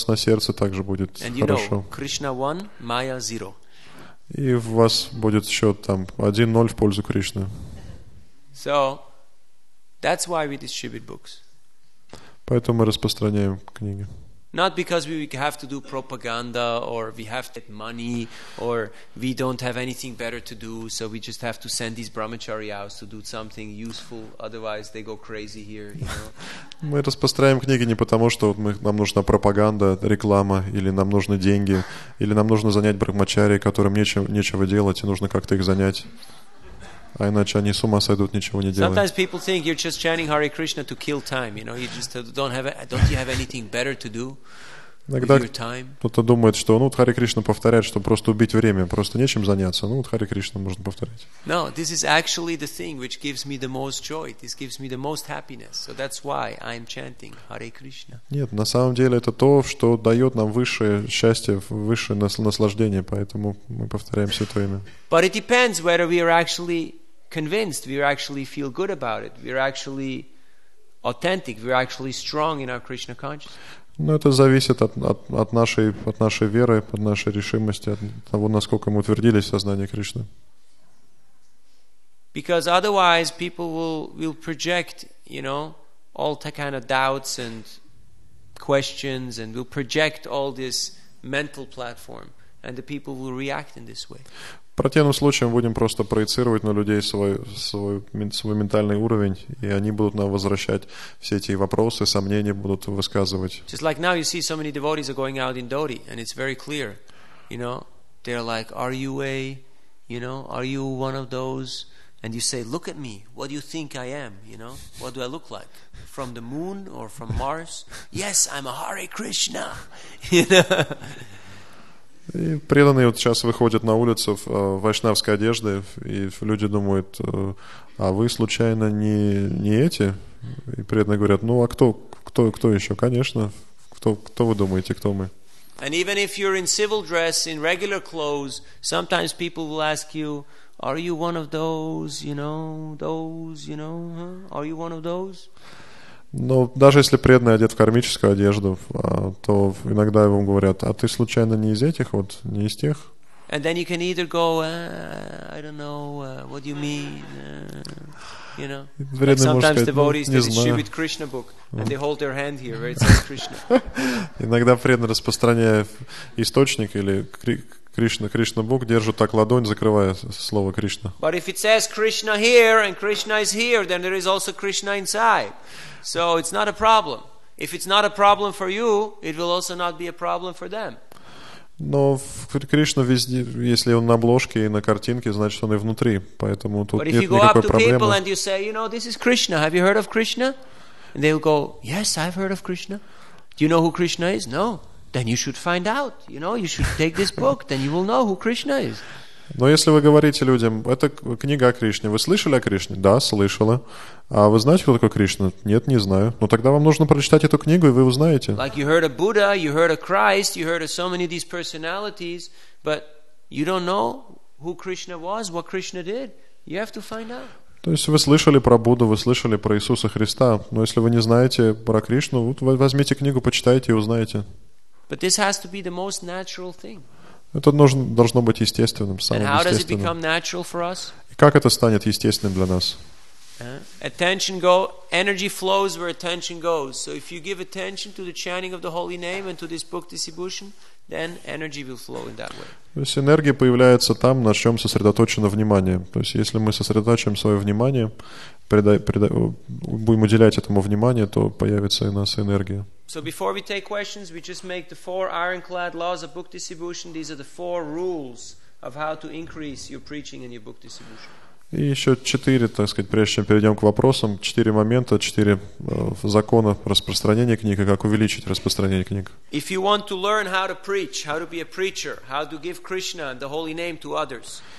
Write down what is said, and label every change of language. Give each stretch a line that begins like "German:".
Russian: на сердце также будет хорошо.
English: Krishna 1, Maya 0.
Russian: И у вас будет счет там 1-0 в пользу Кришны.
English: So, that's why we distribute books.
Russian: Поэтому мы распространяем книги.
English: Not because we have to do propaganda or we have to get money or we don't have anything better to do, so we just have to send these brahmachari out to do something useful, otherwise they go crazy here, you know.
Russian: Мы распространяем книги не потому, что нам нужна пропаганда, реклама, или нам нужны деньги, или нам нужно занять брахмачари, которым нечего делать, и нужно как-то их занять. А иначе они с ума сойдут, ничего не делают.
English: Sometimes people think you're just chanting Hare Krishna to kill time, you know, you just don't you have anything better to do with your time?
Russian: Кто-то думает, что ну вот Харе Кришна повторяет, что просто убить время, просто нечем заняться. Ну вот Харе Кришна можно повторять.
English: No, this is actually the thing which gives me the most joy. This gives me the most happiness. So that's why I'm chanting Hare Krishna.
Russian: Нет, на самом деле это то, что дает нам высшее счастье, высшее наслаждение, поэтому мы повторяем святое имя.
English: But it depends whether we are actually convinced, we actually feel good about it, we're actually authentic, we're actually strong in our Krishna consciousness.
Russian: Но это зависит от нашей веры, от нашей решимости, от того, насколько мы утвердились в сознании Кришны.
English: Because otherwise people will project, you know, all the kind of doubts and questions, and will project all this mental platform, and the people will react in this way.
Russian: В противном случае мы будем просто проецировать на людей свой ментальный уровень, и они будут нам возвращать все эти вопросы, сомнения будут высказывать.
English: Just like now you see so many devotees are going out in Dhoti, and it's very clear, you know, they're like, are you a, you know, are you one of those? And you say, look at me, what do you think I am, you know, what do I look like? From the moon or from Mars? Yes, I'm a Hare Krishna, you know.
Russian: И преданные вот сейчас выходят на улицу в вайшнавской одежде, и люди думают, а вы случайно не эти? И преданные говорят, ну а кто еще? Конечно, кто вы думаете, кто мы?
English: And even if you're in civil dress, in regular clothes, sometimes people will ask you, are you one of those, you know, huh? Are you one of those?
Russian: Но даже если преданный одет в кармическую одежду, то иногда ему говорят, а ты случайно не из этих вот, не из тех?
English: And then you can either go, I don't know, what do you mean, you know. Like sometimes devotees, they distribute Krishna book, and they hold their hand here, where it says Krishna.
Russian: Иногда преданный, распространяя источник или Кришна Бог, держит так ладонь, закрывая слово Кришна.
English: But if it says Krishna here, and Krishna is here, then there is also Krishna inside. So it's not a problem. If it's not a problem for you, it will also not be a problem for them.
Russian: Но Кришна везде, если он на обложке и на картинке, значит он и внутри, поэтому тут нет никакой проблемы.
English: But if you go up to people and you say, you know, this is Krishna, have you heard of Krishna? And they'll go, yes, I've heard of Krishna. Do you know who Krishna is? No. Then you should find out. You know, you should take this book. Then you will know who Krishna is.
Russian: Но если вы говорите людям, это книга о Кришне, вы слышали о Кришне? Да, слышала. А вы знаете, кто такой Кришна? Нет, не знаю. Но тогда вам нужно прочитать эту книгу, и вы узнаете.
English: Like you heard of Buddha, you heard of Christ, you heard of so many of these personalities, but you don't know who Krishna was, what Krishna did. You have to find out.
Russian: То есть вы слышали про Будду, вы слышали про Иисуса Христа, но если вы не знаете про Кришну, вот возьмите книгу, почитайте и узнаете.
English: But this has to be the most natural thing.
Russian: Это должно быть естественным, самым естественным. И как это станет естественным для нас?
English: Energy flows where attention goes. So if you give attention to the chanting of the holy name and to this book distribution, then energy will flow in that way.
Russian: То есть энергия появляется там, на чем сосредоточено внимание. То есть если мы сосредоточим свое внимание, будем уделять этому внимание, то появится у нас энергия.
English: So before we take questions, we just make the four ironclad laws of book distribution. These are the four rules of how to increase your preaching and your book distribution.
Russian: И еще четыре, так сказать, прежде чем перейдем к вопросам, четыре момента, четыре закона распространения книг и как увеличить распространение книг.
English: If you want to learn how to preach, how to be a preacher, how to give Krishna and the holy name to others.